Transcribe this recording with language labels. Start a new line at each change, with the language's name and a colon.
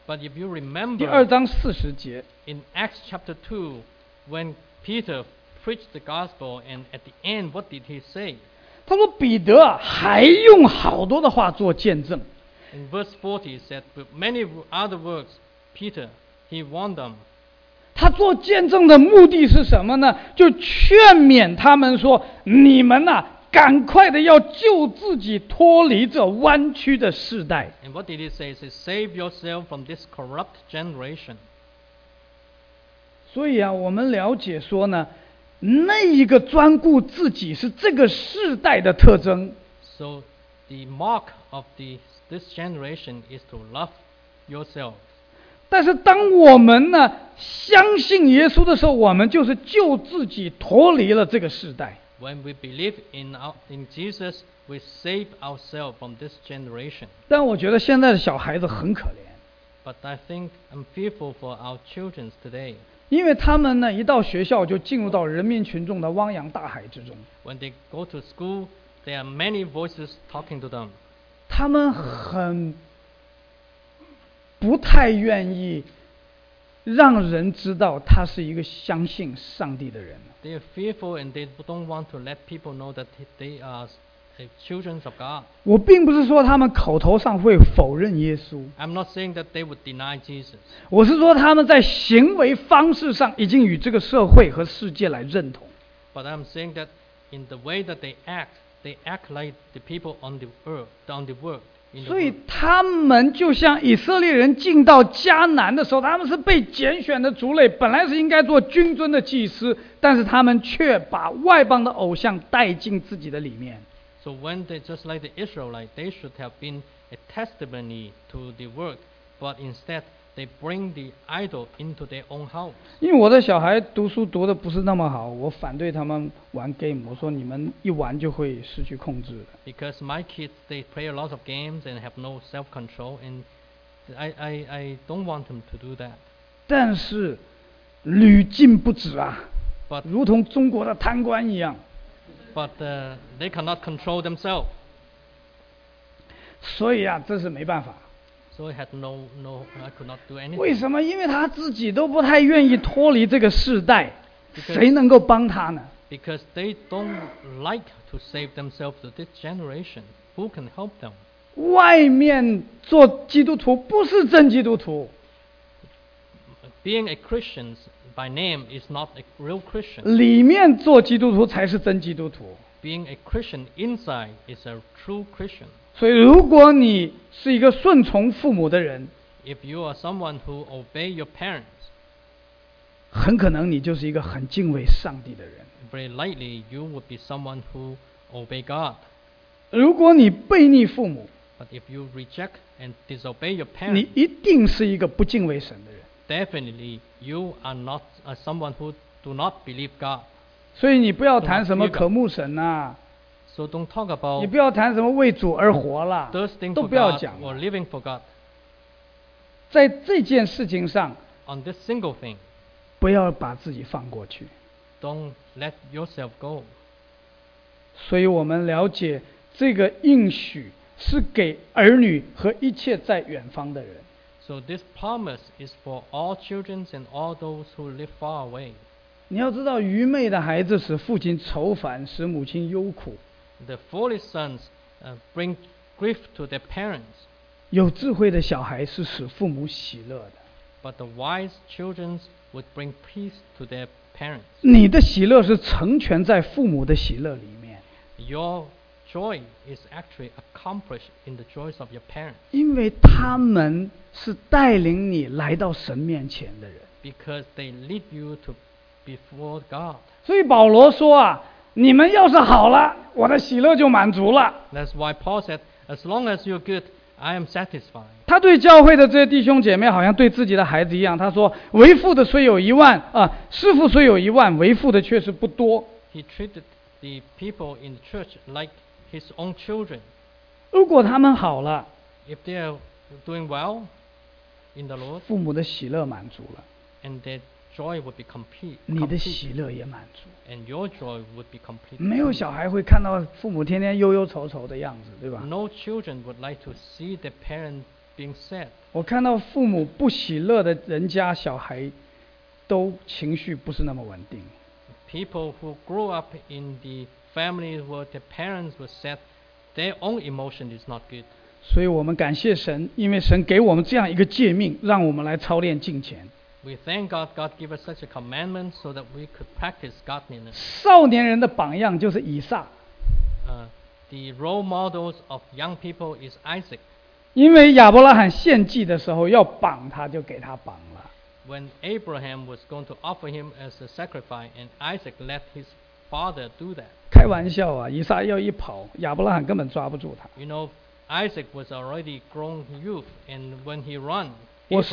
English: But if you remember,
Chinese: 第二章四十节。
English: In Acts chapter 2, when Peter preached the gospel, and at the end, what did he say?
Chinese: 他说彼得啊，还用好多的话做见证。
English: In verse 40, he said, with many other words, Peter, he warned them.
Chinese: 他做见证的目的是什么呢？就劝勉他们说：“你们呐、啊，赶快的要救自己，脱离这弯曲的世代。”
English: And what did he say? He said, "Save yourself from this corrupt generation."
Chinese: 所以啊，我们了解说呢，那一个专顾自己是这个世代的特征。
English: So the mark of the this generation is to love yourself.
Chinese: 但是当我们呢相信耶稣的时候，我们就是救自己脱离了这个时代。
English: When we believe in Jesus, we save ourselves from this generation.
Chinese: 但我觉得现在的小孩子很可怜。
English: But I think I'm fearful for our children today.
Chinese: 因为他们呢一到学校就进入到人民群众的汪洋大海之中。
English: When they go to school, there are many voices talking to them.
Chinese: 他们很不太愿意让人知道他是一个相信上帝的人。
English: They are fearful and they don't want to let people know that they are children of God.
Chinese: 我并不是说他们口头上会否认耶稣。
English: I'm not saying that they would deny Jesus.
Chinese: 我是说他们在行为方式上已经与这个社会和世界来认同。
English: But I'm saying that in the way that they act like the people on the earth, on the world.
Chinese: 所以他们就像以色列人进到迦南的时候，他们是被拣选的族类，本来是应该做君尊的祭司，但是他们却把外邦的偶像带进自己的里面。
English: So when they just like the Israelites, they should have been a testimony to the world, but instead they bring the idol into their own house.
Chinese: 因为我的小孩读书读的不是那么好，我反对他们玩 game， 我说你们一玩就会失去控制。
English: Because my kids, they play a lot of games and have no self-control, and I don't want them to do that.
Chinese: 但是屡禁不止啊，
English: but,
Chinese: 如同中国的贪官一样。
English: But they cannot control themselves.
Chinese: 所以啊，这是没办法。
English: So I had no, I could not do anything.
Chinese: 为什么？因为他自己都不太愿意脱离这个世代，谁能够帮他呢？
English: Because they don't like to save themselves to this generation. Who can help them?
Chinese: 外面做基督徒不是真基督徒。
English: Being a Christian by name is not a real Christian.
Chinese: 里面做基督徒才是真基督徒。
English: Being a Christian inside is a true Christian.
Chinese: 所以如果你是一个顺从父母的人，
English: If you are someone who obey your parents,
Chinese: 很可能你就是一个很敬畏上帝的人。
English: Very likely you would be someone who obey God.
Chinese: 如果你背逆父母，
English: But if you reject and disobey your parents,
Chinese: 你一定是一个不敬畏神的人。
English: Definitely you are not someone who do not believe God.
Chinese: 所以你不要谈什么渴慕神啊，
English: So don't talk about
Chinese: 你不要谈什么为主而活了，都不要讲了。
English: Or living for God.
Chinese: 在这件事情上
English: On this single thing,
Chinese: 不要把自己放过去。
English: Don't let yourself go.
Chinese: 所以我们了解这个应许是给儿女和一切在远方的人。
English: So this promise is for all children and all those who live far away.
Chinese: 你要知道愚昧的孩子使父亲愁烦，使母亲忧苦。
English: The foolish sons bring grief to their parents.
Chinese: 有智慧的小孩是使父母喜乐的。
English: But the wise children would bring peace to their parents.
Chinese: 你的喜乐是成全在父母的喜乐里面。
English: Your joy is actually accomplished in the joys of your parents.
Chinese: 因为他们是带领你来到神面前的人。
English: Because they lead you to before God.
Chinese: 所以保罗说啊，你们要是好了，我的喜乐就满足了。
English: That's why Paul said, as long as you're good, I am satisfied.
Chinese: 他对教会的这些弟兄姐妹好像对自己的孩子一样，他说，为父的虽有一万，师父虽有一万，为父的却是不多。
English: He treated the people in the church like his own children.
Chinese: 如果他们好了，
English: If they are doing well in the Lord,
Chinese: 父母的喜乐满足了。
English: And they're joy would be complete,
Chinese: 你的喜乐也满足。
English: And your joy would be complete.
Chinese: 没有小孩会看到父母天天忧忧愁愁的样子，对吧？
English: No children would like to see their parents being sad.
Chinese: 我看到父母不喜乐的人家，小孩都情绪不是那么稳定。
English: People who grew up in the family where their parents were sad, their own emotion is not good.
Chinese: 所以我们感谢神，因为神给我们这样一个诫命，让我们来操练敬虔。
English: We thank God, God gave us such a commandment so that we could practice godliness.
Chinese: 少年人的榜样就是以撒。
English: The role models of young people is Isaac.
Chinese: 因为亚伯拉罕献祭的时候要绑他，就给他绑了。
English: When Abraham was going to offer him as a sacrifice, and Isaac let his father do that.
Chinese: 开玩笑啊，以撒要一跑，亚伯拉罕根本抓不住他。
English: You know, Isaac was already grown youth, and when he ran, Abraham could not catch